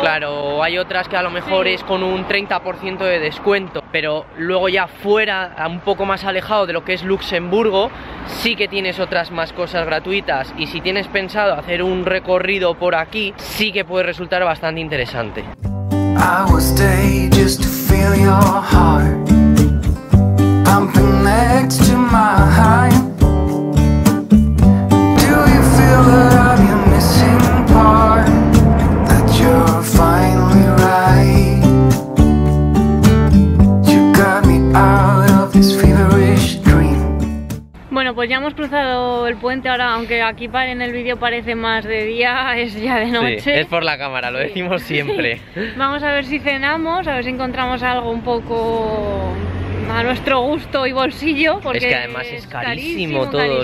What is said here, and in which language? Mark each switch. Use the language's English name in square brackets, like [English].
[Spanish] Claro, hay otras que a lo mejor sí, es con un 30% de descuento, pero luego ya fuera, un poco más alejado de lo que es Luxemburgo, sí que tienes otras más cosas gratuitas, y si tienes pensado hacer un recorrido por aquí, sí que puede resultar bastante interesante. [English] I will stay just to feel your heart. Pumping next to my heart. Do you feel that I'm your missing part? That you're finally right. You got me out of this feverish dream. [Spanish] Bueno, pues ya hemos cruzado el puente ahora, aunque aquí en el vídeo parece más de día, es ya de noche. Sí, es por la cámara, lo decimos siempre. Vamos a ver si cenamos, a ver si encontramos algo un poco a nuestro gusto y bolsillo, porque es que además es carísimo todo, carísimo.